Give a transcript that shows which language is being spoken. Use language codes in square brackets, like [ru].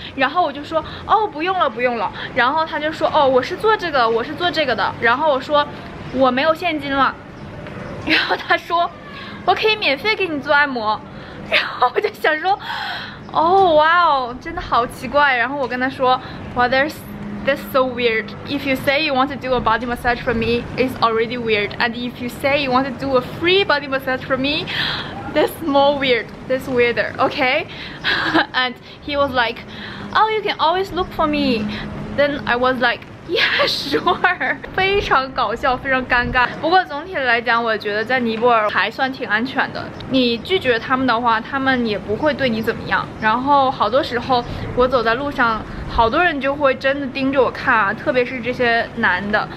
[zh] 然后我就说哦，不用了不用了。然后他就说哦，我是做这个，我是做这个的。然后我说我没有现金了，然后他说我可以免费给你做按摩。然后我就想说哦，哇哦，真的好奇怪。然后我跟他说 [en] Well, that's so weird. If you say you want to do a body massage for me, it's already weird. And if you say you want to do a free body massage for me, that's more weird. That's weirder, okay? And he was like, oh, you can always look for me. Then I was like, yeah, sure. [zh] 非常搞笑，非常尴尬。不过总体来讲，我觉得在尼泊尔还算挺安全的。你拒绝他们的话，他们也不会对你怎么样。然后好多时候我走在路上，好多人就会真的盯着我看啊，特别是这些男的。